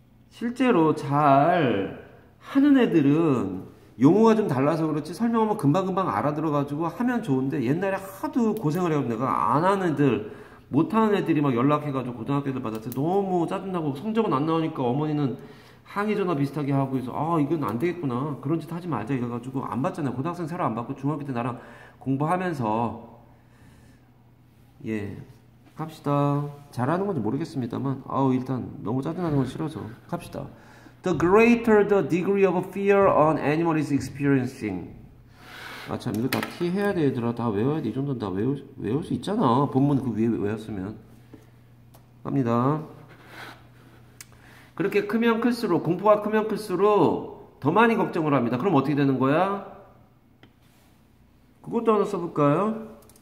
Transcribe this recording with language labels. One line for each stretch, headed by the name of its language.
Korean: 실제로 잘 하는 애들은 용어가 좀 달라서 그렇지 설명하면 금방금방 알아들어가지고 하면 좋은데 옛날에 하도 고생을 해온 내가 안 하는 애들 못하는 애들이 막 연락해가지고 고등학교들 받았을 때 너무 짜증나고 성적은 안 나오니까 어머니는 항의 전화 비슷하게 하고 있어. 아 이건 안 되겠구나 그런 짓 하지 말자 이래가지고 안 받잖아요. 고등학생 새로 안 받고 중학교 때 나랑 공부하면서 예 갑시다. 잘하는 건지 모르겠습니다만 아우 일단 너무 짜증나는 건 싫어서 갑시다.
English: The greater the degree of fear an animal is experiencing.
Korean: 아, 참, 이거 다 T 해야 돼, 얘들아. 다 외워야 돼. 이 정도는 다 외울 수 있잖아. 본문 그 위에 외웠으면. 갑니다. 그렇게 크면 클수록, 공포가 크면 클수록 더 많이 걱정을 합니다. 그럼 어떻게 되는 거야? 그것도 하나 써볼까요?